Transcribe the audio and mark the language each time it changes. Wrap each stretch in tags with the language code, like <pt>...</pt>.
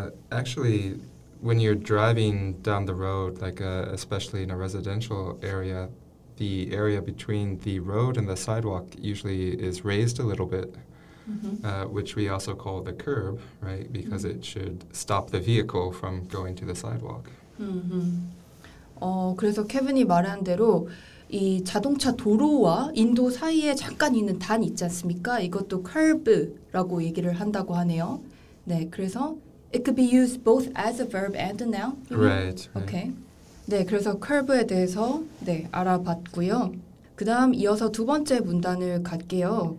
<en>Actually, when you're driving down the road, like especially in a residential area, the area between the road and the sidewalk usually is raised a little bit, mm-hmm. Which we also call the curb, right? Because mm-hmm. it should stop the vehicle from going to the sidewalk. Mm-hmm.</en> <ko>그래서 케빈이 말한 대로 이 자동차 도로와 인도 사이에 잠깐 있는 단 있지 않습니까? 이것도 curb라고 얘기를 한다고 하네요. 네, 그래서</ko> <en>it could be used both as a verb and a noun. Right. Okay. Right.</en> <ko>네, 그래서 curb에 대해서 네 알아봤고요. 그다음 이어서 두 번째 문단을 갈게요.</ko>